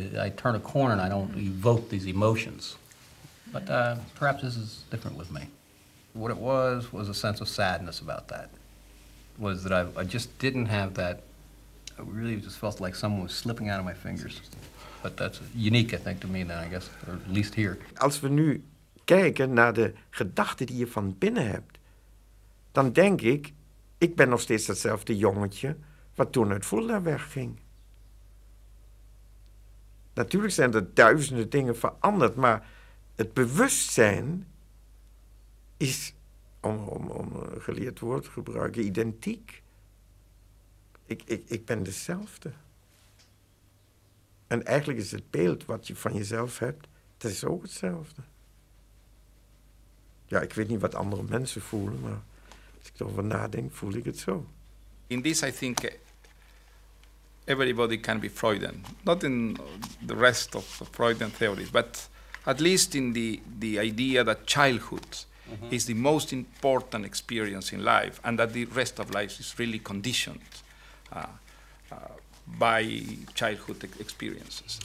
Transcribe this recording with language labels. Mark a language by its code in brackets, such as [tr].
[en] I turn a corner and I don't evoke these emotions. But perhaps this is different with me. What it was a sense of sadness about that, was that I just didn't have that. I really just felt like someone was slipping out of my fingers. But that's uniek, I think, to me then, I guess, or at least here. [nl] Als we nu kijken naar de gedachten die je van binnen hebt, dan denk ik, ik ben nog steeds datzelfde jongetje wat toen uit Fulda wegging. Natuurlijk zijn er duizenden dingen veranderd, maar het bewustzijn is, om een geleerd woord te gebruiken, identiek. Ik ben dezelfde. En eigenlijk is het beeld wat je van jezelf hebt, dat is ook hetzelfde. Ja, ik weet niet wat andere mensen voelen, maar als ik erover nadenk, voel ik het zo. [en] In this, I think everybody can be Freudian. Not in the rest of the Freudian theories, but at least in the idea that childhood is the most important experience in life and that the rest of life is really conditioned by childhood experiences.